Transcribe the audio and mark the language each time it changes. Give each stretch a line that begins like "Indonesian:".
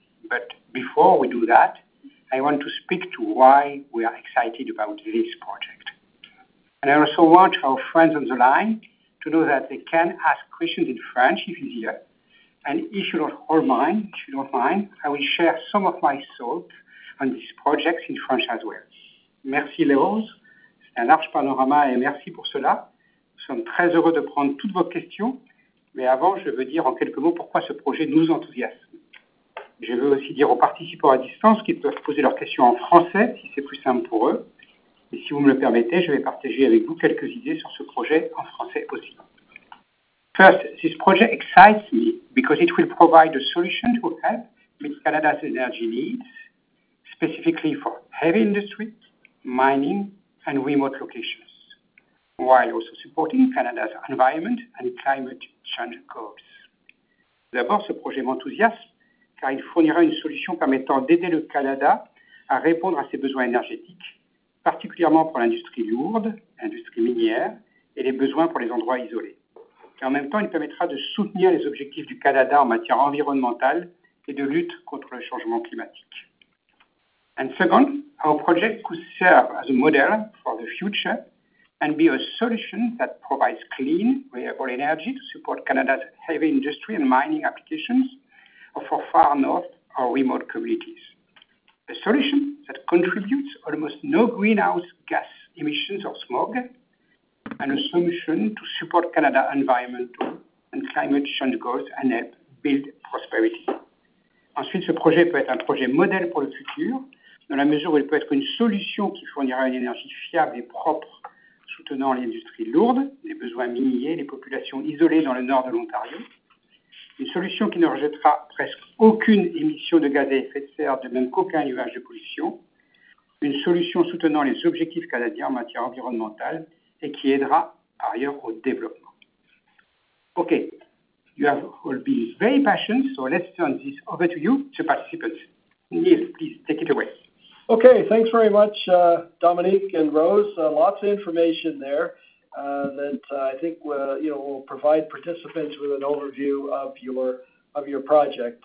English: But before we do that, I want to speak to why we are excited about this project. And I also want our friends on the line to know that they can ask questions in French if easier. And if you don't hold mine, if you don't mind, I will share some of my thoughts on this project in French as well.
French: Merci, Léos. C'est un large panorama et merci pour cela. Nous sommes très heureux de prendre toutes vos questions. Mais avant, je veux dire en quelques mots pourquoi ce projet nous enthousiasme. Je veux aussi dire aux participants à distance qu'ils peuvent poser leurs questions en français, si c'est plus simple pour eux. Et si vous me le permettez, je vais partager avec vous quelques idées sur ce projet en français aussi.
English: First, this project excites me because it will provide a solution to help meet Canada's energy needs, specifically for heavy industry, mining, and remote locations, while also supporting Canada's environment and climate change goals.
French: D'abord, ce projet m'enthousiasme, car il fournira une solution permettant d'aider le Canada à répondre à ses besoins énergétiques, particulièrement pour l'industrie lourde, l'industrie minière et les besoins pour les endroits isolés. Et en même temps, il permettra de soutenir les objectifs du Canada en matière environnementale et de lutte contre le changement climatique.
English: And second, our project could serve as a model for the future and be a solution that provides clean, reliable energy to support Canada's heavy industry and mining applications for far north or remote communities. A solution that contributes almost no greenhouse gas emissions or smog, and a solution to support Canada's environmental and climate change goals and help build prosperity.
French: Ensuite, ce projet peut être un projet modèle pour le futur, dans la mesure où il peut être une solution qui fournira une énergie fiable et propre, soutenant l'industrie lourde, les besoins miniers, les populations isolées dans le nord de l'Ontario. Une solution qui ne rejettera presque aucune émission de gaz à effet de serre, de même qu'aucun nuage de pollution. Une solution soutenant les objectifs canadiens en matière environnementale et qui aidera par ailleurs au développement.
English: OK, you have all been very passionate, so let's turn this over to you, the participants. Neil, please take it away. OK, thanks very much, Dominique and Rose. Lots of information there. That I think will provide participants with an overview of your project.